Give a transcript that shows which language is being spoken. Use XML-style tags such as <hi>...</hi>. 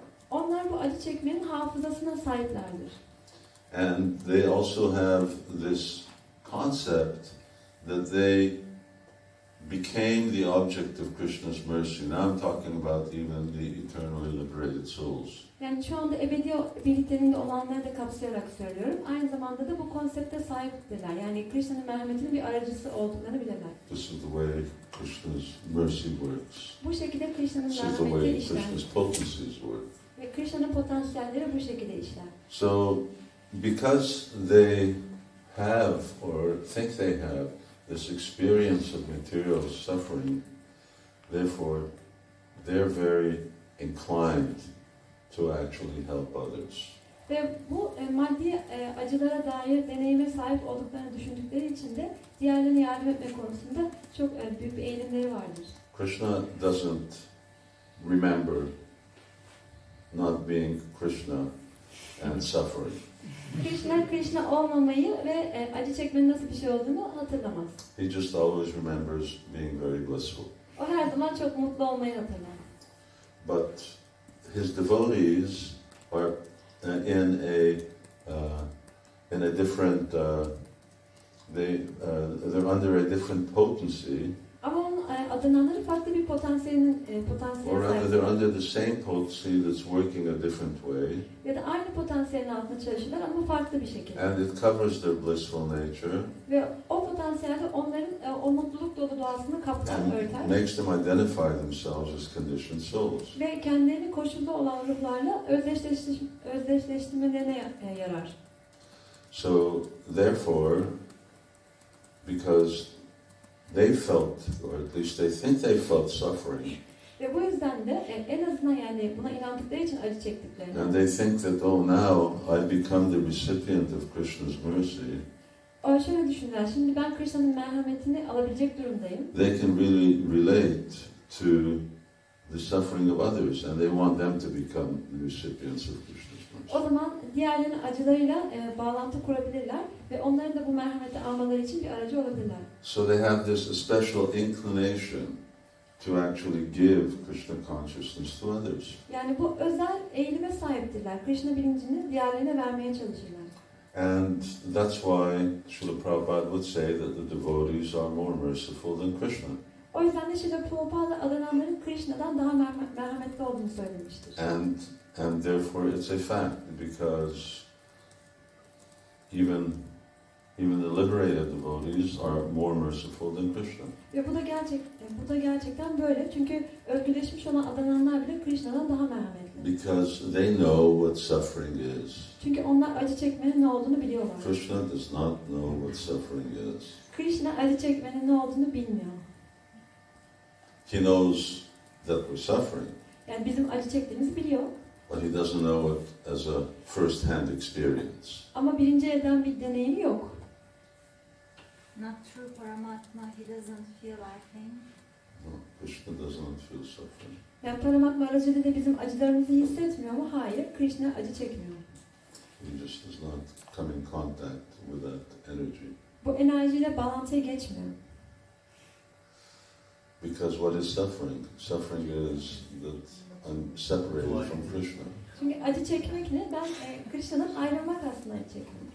<tr>Onlar bu acı çekmenin hafızasına sahiplerdir.</tr> <en>And they also have this concept that they became the object of Krishna's mercy. Now I'm talking about even the eternally liberated souls.</en> <tr>Yani şu anda ebedi birlikteliğinde olanları da kapsayarak söylüyorum. Aynı zamanda da bu konsepte sahiptirler. Yani Krishna'nın merhametinin bir aracısı olduklarını bilirler.</tr> <en>This is the way Krishna's mercy works.</en> <tr>Bu şekilde Krishna'nın merhameti işler.</tr> <en>This is the way Krishna's potencies work.</en> <tr>Ve Krishna'nın potansiyelleri bu şekilde işler.</tr> <en>So, because they have or think they have this experience of material suffering, therefore, they're very inclined to actually help others.</en> <tr>Ve bu maddi acılara dair deneyime sahip olduklarını düşündükleri için de diğerlerine yardım etme konusunda çok büyük bir eğilimleri vardır.</tr> <en>Krishna doesn't remember not being Krishna and suffering.</en> <tr>Krishna Krishna olmamayı ve acı çekmenin nasıl bir şey olduğunu hatırlamaz.</tr> <en>He just always remembers being very blissful.</en> <tr>O her zaman çok mutlu olmayı hatırlar.</tr> <en>But his devotees are in a different they're under a different potency.</en> <tr>Ama onun adınanları farklı bir potansiyel.</tr> <en>Or rather, they're under the same potency that's working a different way.</en> <tr>Ya da aynı potansiyelin altında çalışırlar ama farklı bir şekilde.</tr> <en>And it covers their blissful nature.</en> <tr>Ve o potansiyel de onların o mutluluk dolu doğasını kaplar, örter.</tr> <en>And makes them identify themselves as conditioned souls.</en> <tr>Ve kendilerini koşullu olan ruhlarla özdeşleştirmelerine yarar.</tr> <en>So, therefore, because they felt, or at least they think they felt suffering.</en> <tr>Ve bu yüzden de en azından yani buna inandıkları için acı çektiklerini.</tr> <en>And they think that, oh, now I've become the recipient of Krishna's mercy.</en> <tr>Şöyle düşünler, şimdi ben Krishna'nın merhametini alabilecek durumdayım.</tr> <en>They can really relate to the suffering of others, and they want them to become the recipients of Krishna's mercy.</en> <tr>O zaman diğerlerinin acılarıyla bağlantı kurabilirler ve onların da bu merhameti almaları için bir aracı olabilirler.</tr> <en>So they have this special inclination to actually give Krishna consciousness to others.</en> <tr>Yani bu özel eğilime sahiptirler. Krishna bilincini diğerlerine vermeye çalışırlar.</tr> <en>And that's why Srila Prabhupada would say that the devotees are more merciful than Krishna.</en> <tr>O yüzden de Srila Prabhupada alınanların Krishna'dan daha merhametli olduğunu söylemiştir.</tr> <en>And therefore it's a fact, because even the liberated devotees are more merciful than Krishna.</en> <tr>Ya bu da gerçekten böyle, çünkü özgürleşmiş olan adananlar bile Krishna'dan daha merhametli.</tr> <en>Because they know what suffering is.</en> <tr>Çünkü onlar acı çekmenin ne olduğunu biliyorlar.</tr> <en>Krishna does not know what suffering is.</en> <tr>Krishna acı çekmenin ne olduğunu bilmiyor.</tr> <en>He knows that we're suffering.</en> <tr>Yani bizim acı çektiğimizi biliyor.</tr> <en>But he doesn't know it as a first-hand experience.</en> <tr>Ama birinci elden bir deneyimi yok.</tr> <en>Not true Paramatma, he doesn't feel anything. No, Krishna doesn't feel suffering.</en> <tr>Yani Paramatma aracılığı da bizim acılarımızı hissetmiyor mu? Hayır, Krishna acı çekmiyor.</tr> <en>He just does not come in contact with that energy.</en> <tr>Bu enerjiyle bağlantıya geçmiyor.</tr> <en>Because what is suffering? Suffering is that I'm separated from Krishna.</en> <tr>Çünkü acı çekmek ne? Ben Krishna'dan ayrılmak aslında acı çekmek.</tr>